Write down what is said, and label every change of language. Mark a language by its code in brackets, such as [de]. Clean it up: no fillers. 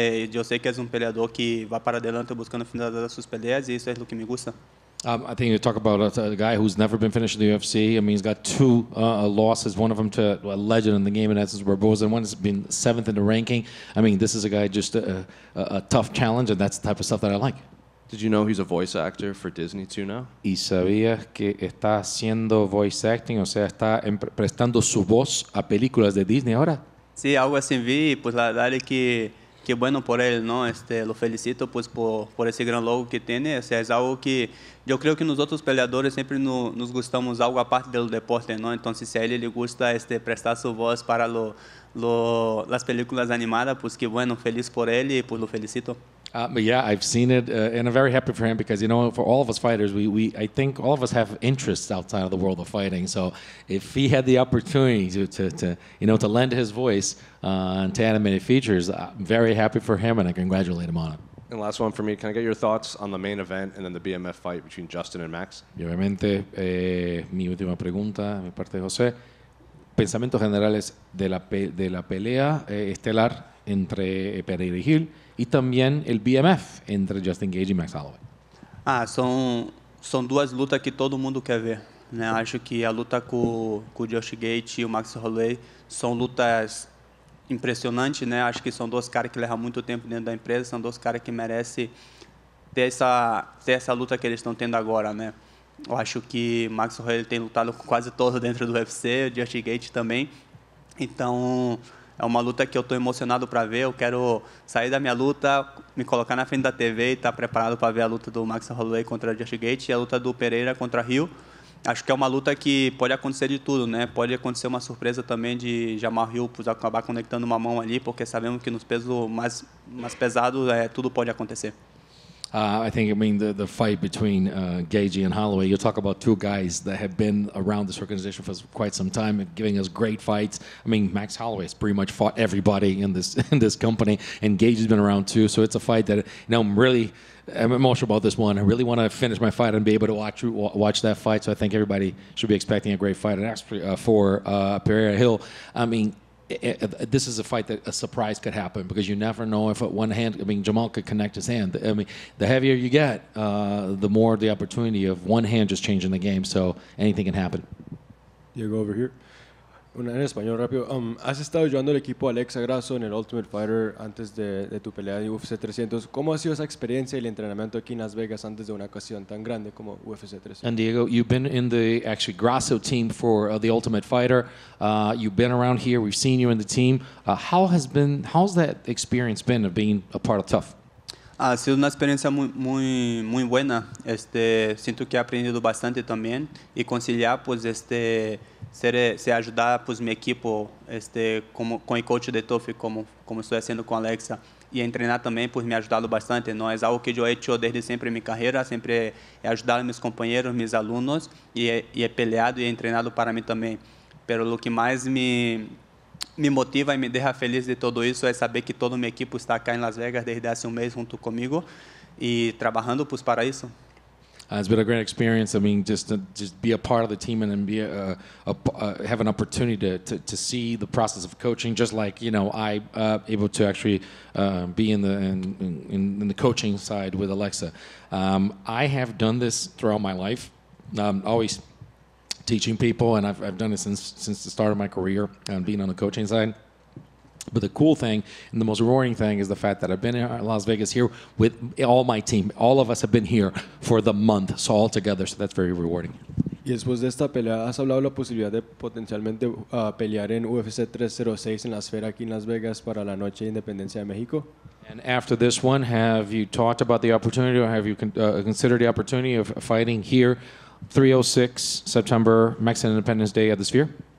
[es] Yo sé que es un peleador que va para adelante buscando finalizar sus peleas y eso es lo que me gusta. [en] I think you talk about a guy who's never been finished in the UFC. I mean, he's got two losses, one of them to a legend in the game, and Edson Barbosa, and one has been seventh in the ranking. I mean, this is a guy, just a tough challenge, and that's the type of stuff that I like. Did you know he's a voice actor for Disney, too, now? [es] Y sabía que está haciendo [en] voice acting, [es] o sea, está prestando su voz a películas de Disney ahora. Sí, algo así vi, pues la verdad es que... Qué bueno por él, ¿no? Lo felicito pues por ese gran logo que tiene. O sea, es algo que yo creo que nosotros peleadores siempre nos gustamos algo aparte del deporte, ¿no? Entonces, si a él le gusta prestar su voz para las películas animadas, pues qué bueno, feliz por él y pues lo felicito. [en] Yeah, I've seen it, and I'm very happy for him because, you know, for all of us fighters, we I think all of us have interests outside of the world of fighting. So if he had the opportunity to lend his voice to animated features, I'm very happy for him, and I congratulate him on it. And last one for me, can I get your thoughts on the main event and then the BMF fight between Justin and Max? [es] Y obviamente, mi última pregunta, mi parte de José. Pensamientos generales de la pelea estelar entre Pereira y Gil y también el BMF entre Justin Gage y Max Holloway. [pt] Ah, son duas lutas que todo mundo quer ver. Né? Acho que a luta com o Justin Gage e o Max Holloway são lutas impressionantes. Né? Acho que são dois caras que levam muito tempo dentro da empresa, são dois caras que merecem ter essa luta que eles estão tendo agora. Né? Eu acho que o Max Holloway tem lutado com quase todos dentro do UFC, o Justin Gage também. Então, é uma luta que eu estou emocionado para ver. Eu quero sair da minha luta, me colocar na frente da TV e estar preparado para ver a luta do Max Holloway contra o Justin Gage e a luta do Pereira contra o Rio. Acho que é uma luta que pode acontecer de tudo, né? Pode acontecer uma surpresa também de Jamal Hill acabar conectando uma mão ali, porque sabemos que nos pesos mais pesados tudo pode acontecer. [en] I think, I mean, the fight between Gagey and Holloway, you talk about two guys that have been around this organization for quite some time, giving us great fights. I mean, Max Holloway has pretty much fought everybody in this company, and Gagey's been around too, so it's a fight that, you know, I'm emotional about this one. I really want to finish my fight and be able to watch that fight, so I think everybody should be expecting a great fight. And for Pereira Hill, I mean, this is a fight that a surprise could happen because you never know if at one hand, I mean, Jamal could connect his hand. I mean, the heavier you get, the more the opportunity of one hand just changing the game. So anything can happen. [es] Diego, [en] over here. [es] Una en español rápido. Has estado ayudando al equipo Alexa Grasso en el Ultimate Fighter antes de tu pelea de UFC 300. ¿Cómo ha sido esa experiencia y el entrenamiento aquí en Las Vegas antes de una ocasión tan grande como UFC 300? [en] And Diego, you've been in the actually Grasso team for the Ultimate Fighter. You've been around here. We've seen you in the team. How's that experience been of being a part of Tough? [es] Ha sido una experiencia muy buena. Siento que he aprendido bastante también y conciliar pues se ajudar pues mi equipo con el coach de Tuff como estoy haciendo con Alexa y entrenar también pues me ha ayudado bastante. No es algo que yo he hecho desde siempre en mi carrera, siempre he ayudado a mis compañeros, mis alumnos y he peleado y he entrenado para mí también. Pero lo que más me motiva y me deja feliz de todo eso es saber que todo mi equipo está acá en Las Vegas desde hace un mes junto conmigo y trabajando pues para eso. [en] It's been a great experience. I mean, just be a part of the team and be have an opportunity to see the process of coaching, just like, you know, able to actually be in the coaching side with Alexa. I have done this throughout my life. I'm always teaching people, and I've done it since the start of my career and being on the coaching side. But the cool thing and the most rewarding thing is the fact that I've been in Las Vegas here with all my team. All of us have been here for the month, so all together. So that's very rewarding. [es] Y después de esta pelea, ¿has hablado de la posibilidad de potencialmente pelear en UFC 306 en la esfera aquí en Las Vegas para la noche de Independencia de México? [en] And after this one, have you talked about the opportunity or have you considered the opportunity of fighting here 306 September, Mexican Independence Day at the Sphere?